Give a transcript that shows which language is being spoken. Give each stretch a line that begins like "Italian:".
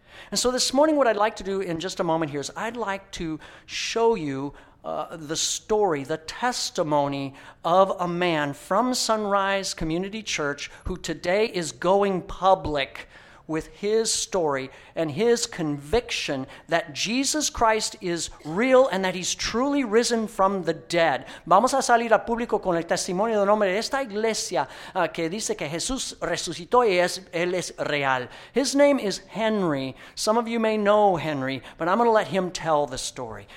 English: And so this morning what I'd like to do in just a moment here is I'd like to show you the story, the testimony of a man from Sunrise Community Church who today is going public with his story and his conviction that Jesus Christ is real and that he's truly risen from the dead.
Spanish: Vamos a salir al público con el testimonio del nombre de esta iglesia que dice que Jesús resucitó y él es real.
English: His name is Henry. Some of you may know Henry, but I'm going to let him tell the story.